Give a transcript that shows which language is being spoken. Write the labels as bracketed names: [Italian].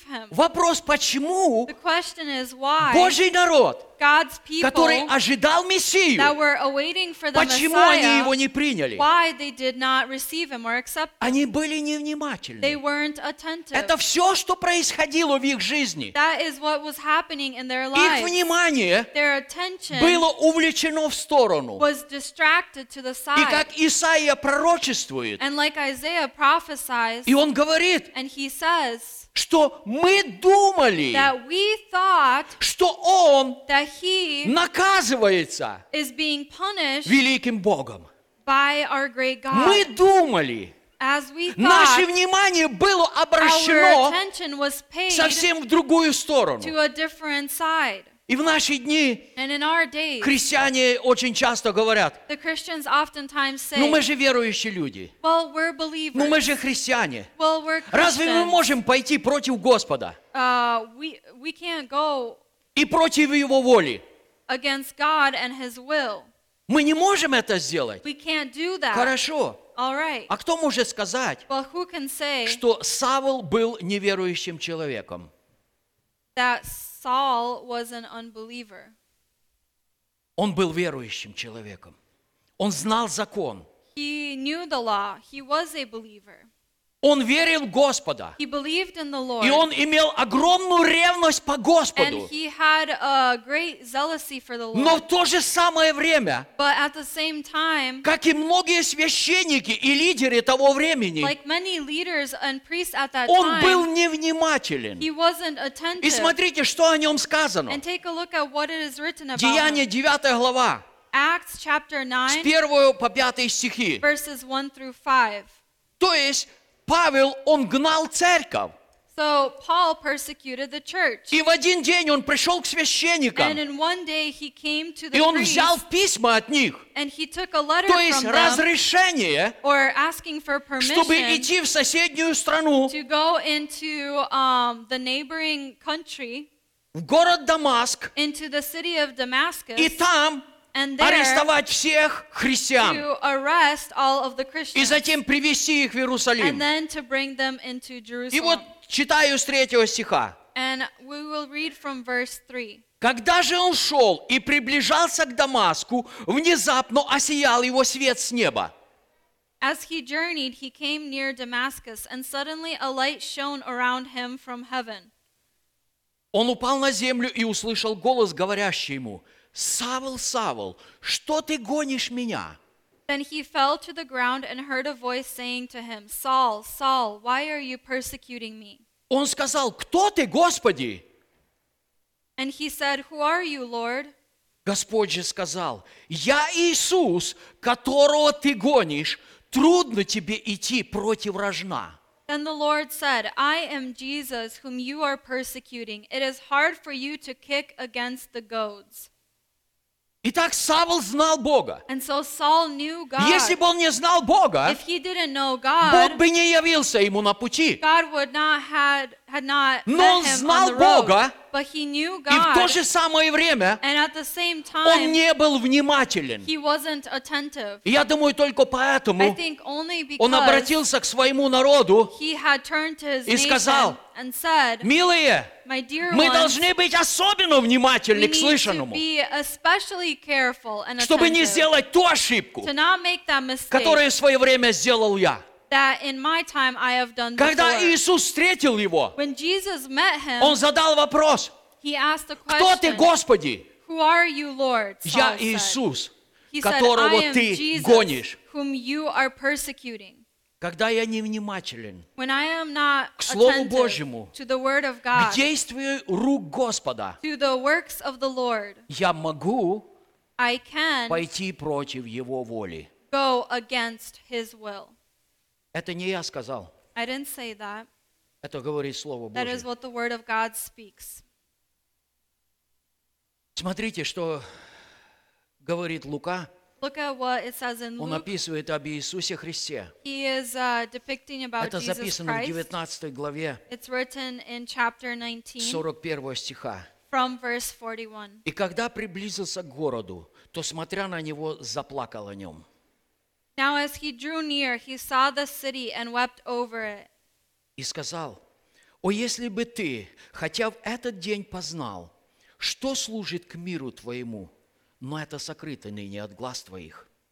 [Russian] Вопрос, почему Божий народ, [English] God's people, [Russian] который ожидал Мессию, [English] that were awaiting for the [Russian] почему [English] Messiah, [Russian] они его не приняли? [English] Why they did not receive him or accept him. [Russian] Они были невнимательны. [English] They weren't attentive. [Russian] Это все, что происходило в их жизни. [English] That is what was happening in their lives. [Russian] Их внимание [English] their attention [Russian] было увлечено в сторону. [English] Was distracted to the side. [Russian] И как Исаия пророчествует, [English] and like Isaiah prophesies, [Russian] и он говорит, [English] and he says, [Russian] что мы думали, [English] that we thought, [Russian] что Он [English] that he [Russian] наказывается [English] is being punished [Russian] великим Богом. [English] By our great God. [Russian] Мы думали, [English] as we thought, [Russian] наше внимание было обращено [English] our attention was paid [Russian] совсем в другую сторону. [English] To a different side. [Russian] И в наши дни [English] and in our days, [Russian] христиане очень часто говорят, [English] the Christians oftentimes say, [Russian] ну мы же верующие люди, [English] well, we're believers. [Russian] Ну мы же христиане, [English] well, we're Christians. [Russian] Разве мы можем пойти против Господа [English] we can't go [Russian] и против Его воли? [English] Against God and His will. [Russian] Мы не можем это сделать. [English] We can't do that. [Russian] Хорошо. [English] All right. [Russian] А кто может сказать, [English] well, who can say, [Russian] что Савл был неверующим человеком? [English] That Saul was an unbeliever. [Russian] Он был верующим человеком. Он знал закон. [English] He knew the law. He was a believer. [Russian] Он верил в Господа. [English] He believed in the Lord. [Russian] И он имел огромную ревность по Господу. [English] And he had a great zealousy for the Lord. [Russian] Но в то же самое время, [English] but at the same time, [Russian] как и многие священники и лидеры того времени, [English] like many leaders and priests at that time, [Russian] он был невнимателен. [English] He wasn't attentive. [Russian] И смотрите, что о нем сказано. [English] And take a look at what it is written about. [Russian] Деяния 9 глава. [English] Acts chapter 9. [Russian] С 1 по 5 стихи. [English] Verses 1 through 5. [Russian] То есть Павел, он гнал церковь. [English] So Paul persecuted the church. [Russian] И в один день он пришел к священникам. [English] And in one day he came to the [Russian] и он взял письма от них. [English] And he took a letter [Russian] то есть [English] from [Russian] разрешение, [English] them, or asking for permission, [Russian] чтобы идти в соседнюю страну, [English] to go into, the neighboring country, [Russian] в город Дамаск, [English] into the city of Damascus, [Russian] и там [English] And there, [Russian] арестовать всех христиан [English] to arrest all of the Christians, [Russian] и затем привести их в Иерусалим. [English] And then to bring them into Jerusalem. [Russian] И вот читаю с 3 стиха. [English] And we will read from verse 3. [Russian] Когда же он шел и приближался к Дамаску, внезапно осиял его свет с неба. [English] As he journeyed, he came near Damascus, and suddenly a light shone around him from heaven. [Russian] Он упал на землю и услышал голос, говорящий ему, Савл, Савл, что ты гонишь меня? [English] Then he fell to the ground and heard a voice saying to him, Saul, Saul, why are you persecuting me? [Russian] Он сказал, кто ты, Господи? [English] And he said, who are you, Lord? [Russian] Господь же сказал, я Иисус, которого ты гонишь. Трудно тебе идти против рожна. [English] Then the Lord said, I am Jesus, whom you are persecuting. It is hard for you to kick against the goads. [Russian] Итак, Саул знал Бога. [English] And so Saul knew God. [Russian] Если бы он не знал Бога, [English] if he didn't know God, [Russian] Бог бы не явился ему на пути. [English] God would not had not met him on the road. [Russian] Но он знал Бога, [English] but he knew God. [Russian] И в то же самое время, [English] and at the same time, [Russian] он не был внимателен. [English] He wasn't attentive. [Russian] Я думаю, только поэтому [English] I think only because [Russian] он обратился к своему народу [English] he had turned to his [Russian] и сказал, [English] nation and said, [Russian] милые, [English] my dear [Russian] мы [English] ones, [Russian] должны быть особенно внимательны к слышанному, [English] be especially careful and attentive, [Russian] чтобы не сделать ту ошибку, [English] to not make that mistake, [Russian] которую в свое время сделал я. [English] That in my time I have done before. [Russian] Когда Иисус встретил его, [English] when Jesus met him, [Russian] он задал вопрос, [English] he asked a question, [Russian] кто ты, Господи? [English] Who are you, Lord? Saul [Russian] я Иисус, [English] said. [Russian] Которого [English] said, [Russian] ты [English] Jesus, [Russian] гонишь. [English] Whom you are persecuting. [Russian] Когда я невнимателен [English] when I am not [Russian] к Слову Божьему, [English] to the word of God, [Russian] к действию рук Господа, [English] to the works of the Lord, [Russian] я могу [English] I can [Russian] пойти против Его воли. [English] Go against His will. [Russian] Это не я сказал. [English] I didn't say that. [Russian] Это говорит Слово Божие. [English] That is what the word of God speaks. [Russian] Смотрите, что говорит Лука. [English] Look at what it says in Luke. [Russian] Он описывает об Иисусе Христе. [English] He is depicting about [Russian] Это записано [English] Jesus Christ. [Russian] В 19 главе. [English] It's written in chapter 19. [Russian] 41 стиха. [English] From verse 41. [Russian] И когда приблизился к городу, то, смотря на него, заплакал о нем. [English] Now as he drew near, he saw the city and wept over it. [Russian] И сказал, «О, если бы ты, хотя в этот день познал, что служит к миру твоему, но это сокрыто ныне от глаз твоих».